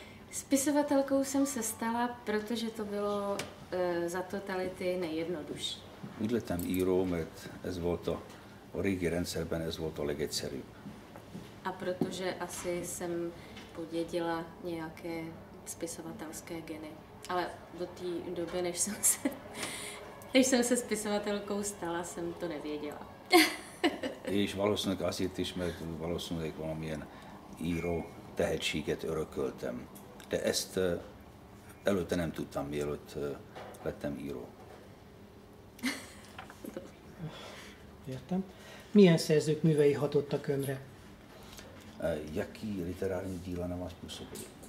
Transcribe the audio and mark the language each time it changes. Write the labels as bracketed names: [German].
[Czech] Spisovatelkou jsem se stala, protože to bylo za totality nejjednodušší. [Hungarian] Ügyletem író, mert ez volt a régi rendszerben ez volt a legegyszerűbb. [Czech] A protože asi jsem podědila nějaké spisovatelské geny. Ale do té doby, než jsem se spisovatelkou stala, jsem to nevěděla. [Hungarian] És valószínűleg azért is, mert valószínűleg valamilyen író tehetséget örököltem. De ezt előtte nem tudtam, mielőtt lettem író. Értem. Milyen szerzők művei hatottak önre? [Czech] Jaký literární díla na vás působili?